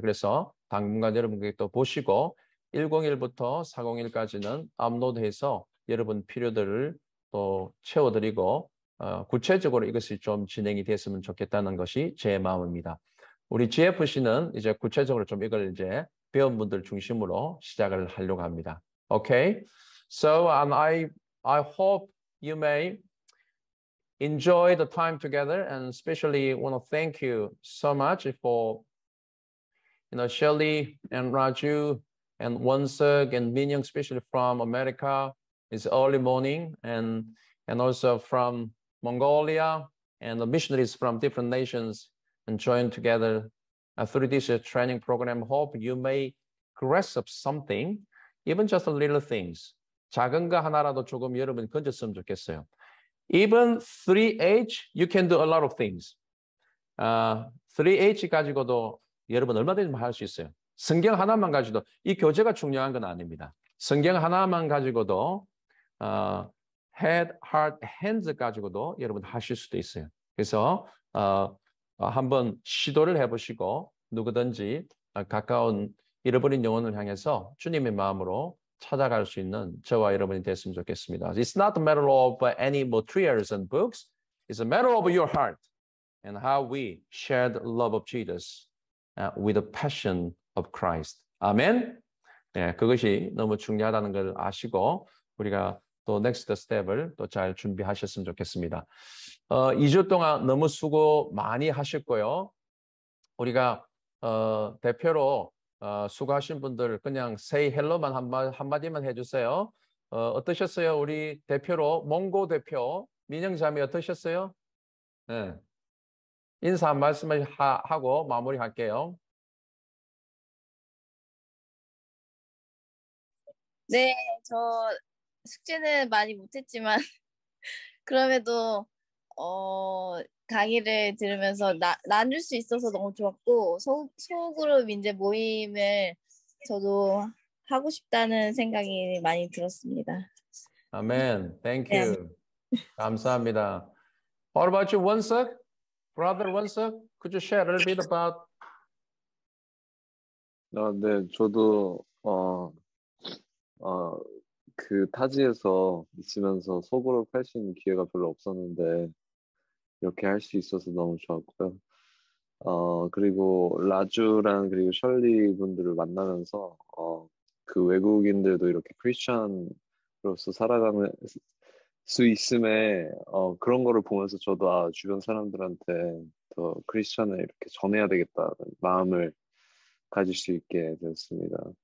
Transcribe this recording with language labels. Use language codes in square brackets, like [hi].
[ko] 그래서 당분간 여러분께 또 보시고 101부터 401까지는 업로드해서 여러분 필요들을 또 채워드리고 구체적으로 이것이 좀 진행이 됐으면 좋겠다는 것이 제 마음입니다. 우리 GFC는 이제 구체적으로 좀 이걸 이제 배운 분들 중심으로 시작을 하려고 합니다. [en] Okay, so and I hope you may enjoy the time together and especially want to thank you so much for you know, Shelly and Raju and Wonseok and Minyoung, especially from America, it's early morning, and also from Mongolia, and the missionaries from different nations and join together through this training program. Hope you may grasp something, even just a little things. [ko] 작은 거 하나라도 조금 여러분 건졌으면 좋겠어요. [en] Even 3H, you can do a lot of things. [ko] 3H 가지고도 여러분 얼마든지 할 수 있어요. 성경 하나만 가지고도, 이 교재가 중요한 건 아닙니다. 성경 하나만 가지고도 head, heart, hands 가지고도 여러분 하실 수도 있어요. 그래서 한번 시도를 해보시고 누구든지 가까운 잃어버린 영혼을 향해서 주님의 마음으로 찾아갈 수 있는 저와 여러분이 됐으면 좋겠습니다. [en] It's not a matter of any materials and books. It's a matter of your heart and how we share the love of Jesus with the passion of Christ. Amen. [ko] 네, 그것이 너무 중요하다는 걸 아시고 우리가 또 [en] next step [ko] 을 또 잘 준비하셨으면 좋겠습니다. 2주 동안 너무 수고 많이 하셨고요. 우리가 대표로 수고하신 분들 그냥 [en] say hello [ko] 만 한마디만 해주세요. 어떠셨어요? 우리 대표로 몽고 대표 민영 자매 어떠셨어요? 네. 인사 한 말씀을 하고 마무리할게요. 네, 저 숙제는 많이 못했지만 그럼에도 강의를 들으면서 나눌 수 있어서 너무 좋았고 소그룹 이제 모임을 저도 하고 싶다는 생각이 많이 들었습니다. 아멘. [en] Thank you. [ko] 네. 감사합니다. [en] What about you, Wonseok? Brother Wonseok, could you share a little bit about? [ko] 아, 네, 저도 그 타지에서 있으면서 소그룹 할 수 있는 기회가 별로 없었는데 이렇게 할 수 있어서 너무 좋았고요. 그리고 라주랑 그리고 셜리 분들을 만나면서 그 외국인들도 이렇게 크리스천으로서 살아가는 수 있음에 그런 거를 보면서 저도 주변 사람들한테 더 크리스천을 이렇게 전해야 되겠다는 마음을 가질 수 있게 됐습니다.